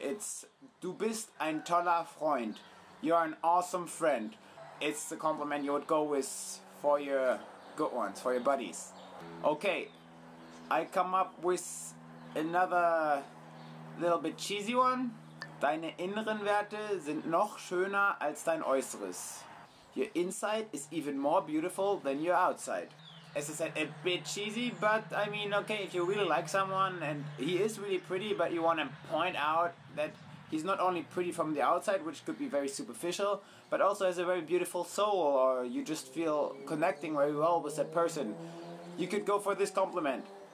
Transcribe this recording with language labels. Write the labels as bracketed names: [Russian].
[English] It's, [German] du bist ein toller Freund. [English] You are an awesome friend. It's the compliment you would go with for your good ones, for your buddies. Okay, I come up with another little bit cheesy one. [German] Deine inneren Werte sind noch schöner als dein Äußeres. [English] Your inside is even more beautiful than your outside. As I said, a bit cheesy, but I mean, okay, if you really like someone and he is really pretty, but you want to point out that he's not only pretty from the outside, which could be very superficial, but also has a very beautiful soul, or you just feel connecting very well with that person, you could go for this compliment.